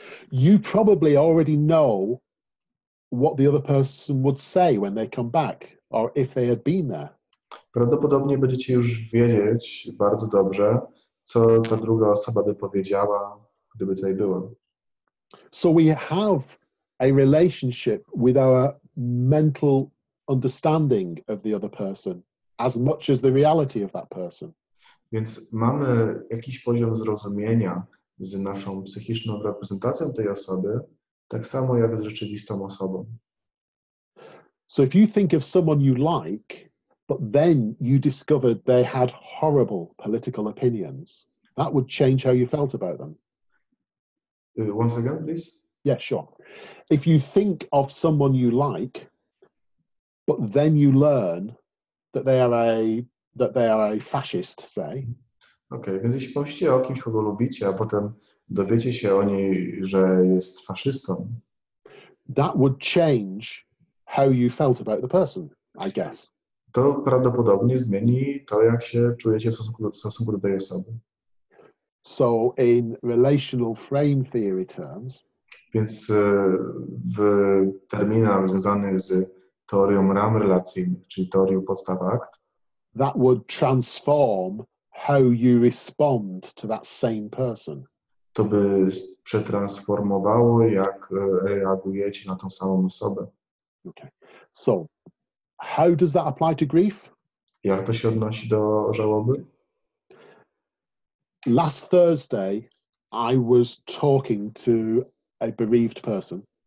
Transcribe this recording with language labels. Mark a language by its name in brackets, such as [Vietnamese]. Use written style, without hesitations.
[English] you probably already know what the other person would say when they come back, or if they had been there. [Polish] Prawdopodobnie będziecie już wiedzieć bardzo dobrze, co ta druga osoba by powiedziała, gdyby tutaj była. [English] So we have a relationship with our mental understanding of the other person, as much as the reality of that person. [Polish] Więc mamy jakiś poziom zrozumienia z naszą psychiczną reprezentacją tej osoby, tak samo jak z rzeczywistą osobą. [English] So if you think of someone you like, but then you discovered they had horrible political opinions. That would change how you felt about them. Once again, please. Yeah, sure. If you think of someone you like, but then you learn that they are a fascist, say. [Polish] Okay, więc jeśli pomyślicie o kimś, kogo lubicie, a potem dowiecie się o niej, że jest faszystą. [English] That would change how you felt about the person, I guess. [Polish] To prawdopodobnie zmieni to, jak się czujecie w stosunku do tej osoby. [English] So in relational frame theory terms. [Polish] Więc w terminach związanych z teorią ram relacyjnych, czyli teorią podstaw akt. [English] That would transform how you respond to that same person. [Polish] To by przetransformowało, jak reagujecie na tą samą osobę. [English] Okay. So, how does that apply to grief? [Polish] Jak to się odnosi do żałoby? [English] Last Thursday, I was talking to a bereaved person.